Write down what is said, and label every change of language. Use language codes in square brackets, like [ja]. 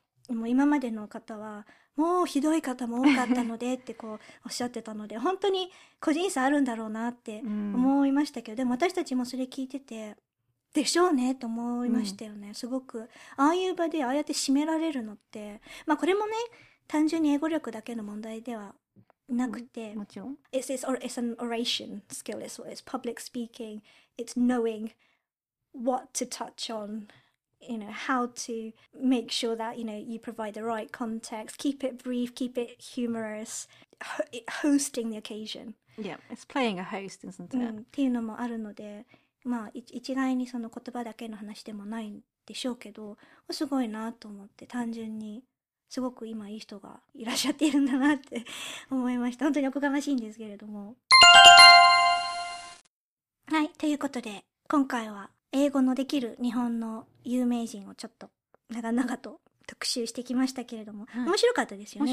[ja] もう今までの方はもうひどい方も多かったのでってこうおっしゃってたので本当に個人差あるんだろうなって思いましたけど、でも私たちもそれ聞いててでしょうねと思いましたよね、うん、すごくああいう場でああやって締められるのって、まあこれもね単純に英語力だけの問題ではなくて、もちろん [en] It's an oration skill, it's public speaking, it's knowing what to touch on, you know, how to make sure that you know you provide the right context, keep it brief, keep it humorous, hosting the occasion. Yeah, it's playing a host, isn't it? [ja] っていうのもあるので、まあ、一概にその言葉だけの話でもないんでしょうけど、すごいなと思って、単純にすごく今いい人がいらっしゃっているんだなって思いました。本当におこがましいんですけれども、はい、ということで今回は英語のできる日本の有名人をちょっと長々と特集してきましたけれども、うん、面白かったですよね。